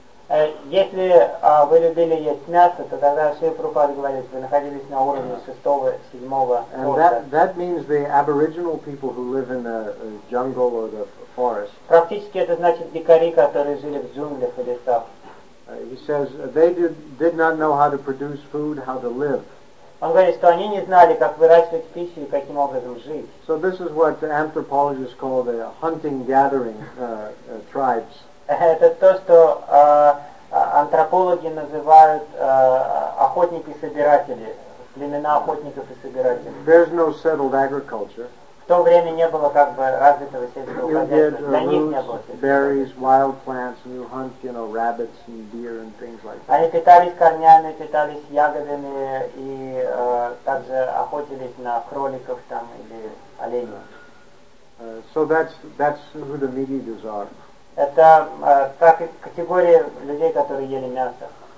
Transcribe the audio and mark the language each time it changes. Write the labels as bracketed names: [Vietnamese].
[Russian] Если вы любили есть мясо, то тогда все Прабхупада говорит, вы находились на уровне шестого, седьмого. [English] And that means the aboriginal people who live in the jungle or the forest. [Russian] Практически это значит дикари, которые жили в джунглях и лесах. [English] He says they did not know how to produce food, how to live. [Russian] Он говорит, что они не знали, как выращивать пищу и каким образом жить. [English] So this is what anthropologists call the hunting-gathering tribes. [Russian] Это то, что антропологи называют охотники-собиратели, племена охотников и собирателей. [English] There's no settled agriculture. [Russian] В то время не было как бы развитого сельского хозяйства. [English] You get roots, [Russian] для них не было. [English] Berries, wild plants, and you hunt, you know, rabbits and deer and things like that. [Russian] Они питались корнями, питались ягодами и также охотились на кроликов там или оленей. [English] So that's who the meat eaters are. [Russian] Это как категория людей, которые ели мясо.